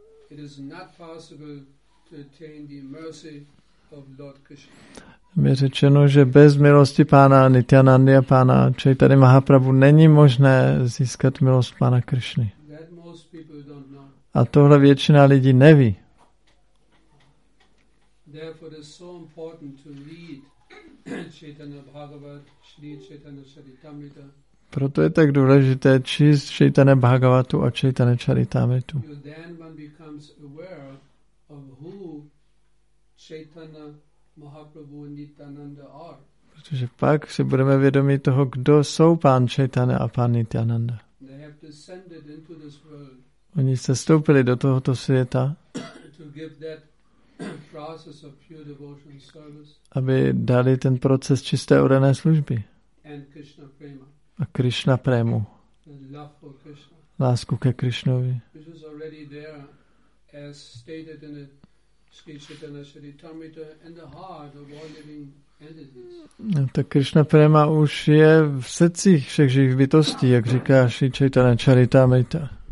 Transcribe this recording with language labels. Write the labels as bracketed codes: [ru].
[en] it is not possible to attain the mercy of Lord Krishna. [cs] Je řečeno, že bez milosti pána Nityanandy a pána Chaitany Mahaprabhu není možné získat milost pána Krishny. [en] That most [cs] A tohle většina lidí neví. [en] Therefore, it is so important to read Chaitanya Bhagavat, Shri Chaitanya Charitamrita. [cs] Proto je tak důležité číst Chaitanya Bhagavatu a Chaitanya Charitamritu. [en] Then one becomes aware of who Chaitanya Mahaprabhu and Nityananda are. [cs] Protože pak si budeme vědomi toho, kdo jsou pán Chaitanya a pán Nityananda. [en] They have descended into this world. [cs] Oni se vstoupili do tohoto světa, [en] to give that process of pure devotion service, [cs] aby dali ten proces čisté oddané služby [en] and Krishna prema. [cs] A Krishna prému. [en] Love for Krishna. [cs] Lásku ke Krishnovi. [en] Which is already there, as stated in the Sri Chaitanya Charitamrita, in the heart of all living entities. [cs] No, ta Krishna prema už je v srdcích všech živých bytostí, jak říká Sri Chaitanya Charitamrita.